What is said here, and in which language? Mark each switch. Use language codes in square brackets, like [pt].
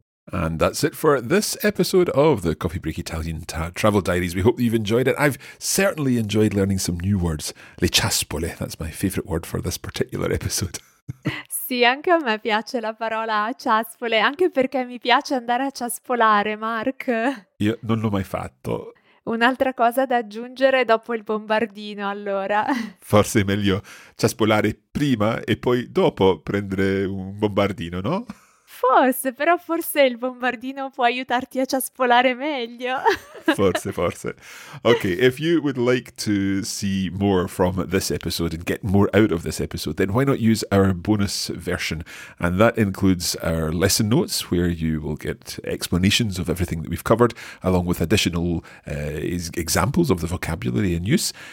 [en] And that's it for this episode of the Coffee Break Italian Travel Diaries. We hope that you've enjoyed it. I've certainly enjoyed learning some new words. Le ciaspole, that's my favorite word for this particular episode. [it] Sì, anche a me piace la parola ciaspole, anche perché mi piace andare a ciaspolare, Mark. Io non l'ho mai fatto. Un'altra cosa da aggiungere dopo il bombardino, allora. Forse è meglio ciaspolare prima e poi dopo prendere un bombardino, no? Forse, però forse il bombardino può aiutarti a ciaspolare meglio. Forse. [en] Okay, if you would like to see more from this episode and get more out of this episode, then why not use our bonus version? And that includes our lesson notes, where you will get explanations of everything that we've covered, along with additional examples of the vocabulary in use.